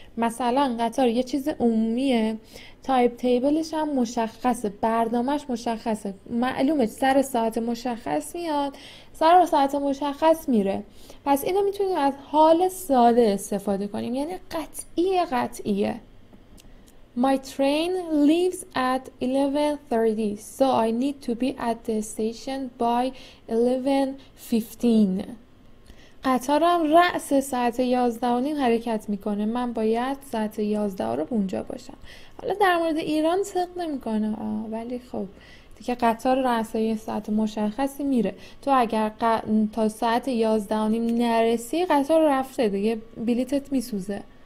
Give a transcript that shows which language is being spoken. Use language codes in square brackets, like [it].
[fa] مثلا قطار یه چیز عمومیه، تایپ تیبلش هم مشخصه، برنامهش مشخصه، معلومه سر ساعت مشخص میاد، سر ساعت مشخص میره. پس اینو میتونیم از حال ساده استفاده کنیم، یعنی قطعیه قطعیه. [en] My train leaves at 11:30, so I need to be at the station by 11:15. [fa] قطارم رأس ساعت 11:30 حرکت میکنه، من باید ساعت 11 رو اونجا باشم. حالا در مورد ایران صدق نمیکنه، ولی خب دیگه قطار رأس ساعت مشخصی میره. تو اگر تا ساعت 11:30 نرسی قطار رفته دیگه، بلیتت میسوزه.